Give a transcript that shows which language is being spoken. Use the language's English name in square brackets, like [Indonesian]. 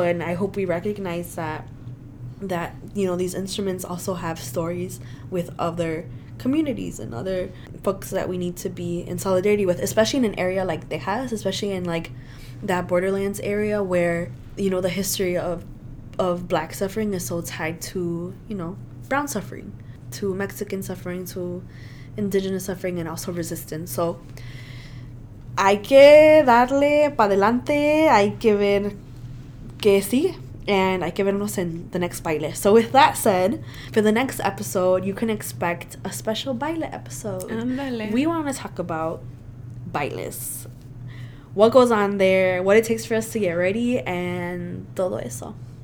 [English] And I hope we recognize that, you know, these instruments also have stories with other communities and other folks that we need to be in solidarity with, especially in an area like Tejas, especially in like that borderlands area where, you know, the history of Black suffering is so tied to, you know, brown suffering, to Mexican suffering, to indigenous suffering, and also resistance. [Spanish] So hay que darle para adelante, hay que ver que sí. [English] And I give it a listen in the next baile. So with that said, for the next episode, you can expect a special baile episode. [Spanish] Andale. [English] We want to talk about bailes. What goes on there, what it takes for us to get ready, and [Spanish] todo eso.